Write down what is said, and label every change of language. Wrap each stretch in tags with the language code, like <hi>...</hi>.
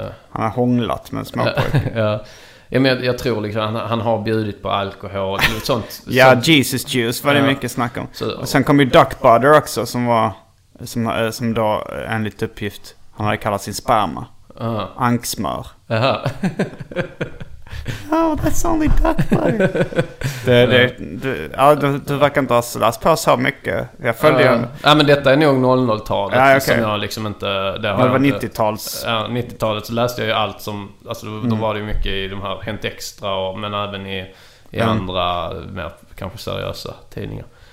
<sv>Han har hånglat med små pojkar. Ja. Ja, men jag tror liksom han har bjudit på alkohol och sånt. Ja, Jesus juice var det mycket snack om. Så, och sen kom ju Duck Butter också som då enligt uppgift han hade kallat sin sperma. Anksmör.</sv> <en>Oh, that's only duck butter.</en> <sv>Du verkar inte ha slast på så mycket. Jag följer ju... Ja, men detta är nog 00-talet. Som jag liksom inte... Det men det var 90-tals. Ja, 90-talet så läste jag ju allt som... Alltså då var det ju mycket i de här Hänt Extra och, men även i andra mer kanske seriösa tidningar.</sv>